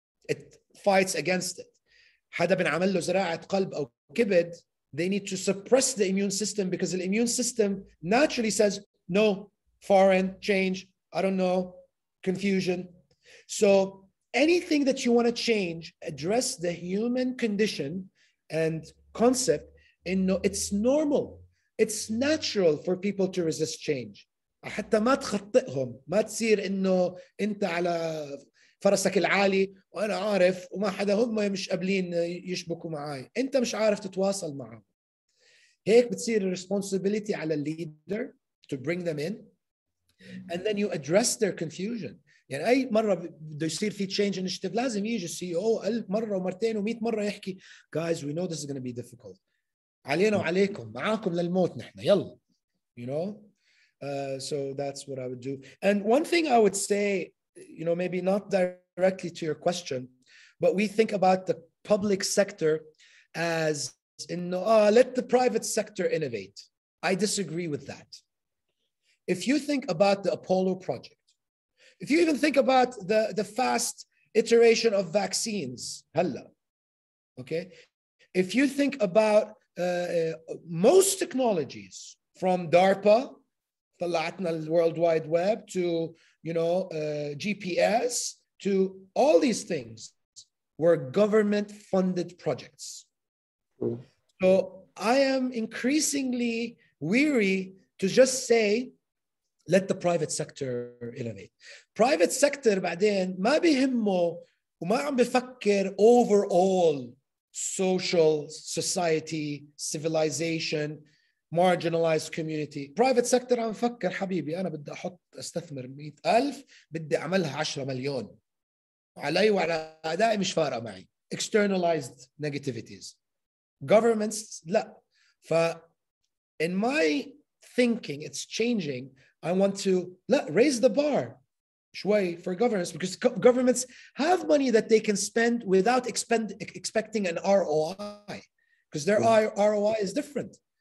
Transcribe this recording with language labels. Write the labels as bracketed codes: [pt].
[en] It fights against it. [ar] حدا بنعمل له زراعة قلب أو كبد, [en] they need to suppress the immune system because the immune system naturally says, no, foreign, change, I don't know, confusion. So anything that you want to change, address the human condition and concept in no, it's normal. It's natural for people to resist change. [ar] حتى ما تخطئهم, ما تصير إنه أنت على فرسك العالي وأنا عارف وما حدا هم مش قابلين يشبكوا معاي. أنت مش عارف تتواصل معهم. هيك بتصير [en] responsibility على leader to bring them in. And then you address their confusion. [ar] يعني أي مرة بده يصير في change initiative لازم يجي CEO ألف مرة ومرتين وميت مرة يحكي, [en] guys, we know this is going to be difficult. [ar] علينا وعليكم, معاكم للموت نحن, يلا. [en] You know? So that's what I would do. And one thing I would say, you know, maybe not directly to your question, but we think about the public sector as in, let the private sector innovate. I disagree with that. If you think about the Apollo project, if you even think about the fast iteration of vaccines, hella, okay? If you think about most technologies from DARPA, the Latin World Wide Web, to, you know, GPS, to all these things were government-funded projects. Mm. So I am increasingly weary to just say, let the private sector innovate. Private sector, بعدين, [ar] ما بيهمه وما عم بفكر [en] overall social, society, civilization, marginalized community. [ar] Private sector, عم فكر حبيبي, أنا بدي أحط أستثمر 100,000, بدي أعملها 10 مليون. علي وعلى أدائي مش فارقة معي. [en] Externalized negativities. Governments, لا. ف in my thinking, it's changing. I want to raise the bar شوي for governments, because governments have money that they can spend without expecting an ROI, because their ROI is different.